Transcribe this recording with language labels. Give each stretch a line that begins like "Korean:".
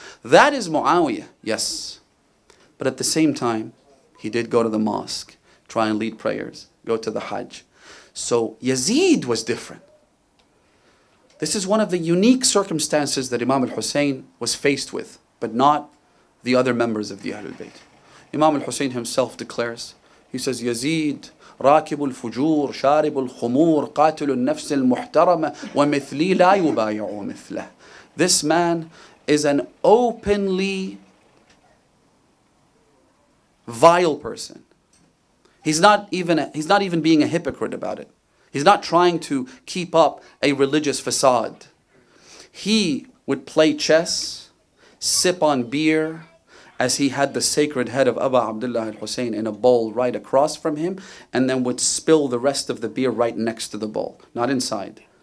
English: That is Muawiyah, yes. But at the same time, he did go to the mosque, try and lead prayers, go to the Hajj. So Yazid was different. This is one of the unique circumstances that Imam al-Husayn was faced with, but not the other members of the Ahlulbayt. Imam al-Husayn himself declares, he says, Yazid,
Arabic: راكب الفجور شارب الخمور قاتل النفس المحترمة ومثلي لا يبايع مثله.
English: This man is an openly vile person. He's not even being a hypocrite about it. He's not trying to keep up a religious facade. He would play chess, sip on beer, as he had the sacred head of Abu Abdullah al-Husayn in a bowl right across from him, and then would spill the rest of the beer right next to the bowl, not inside.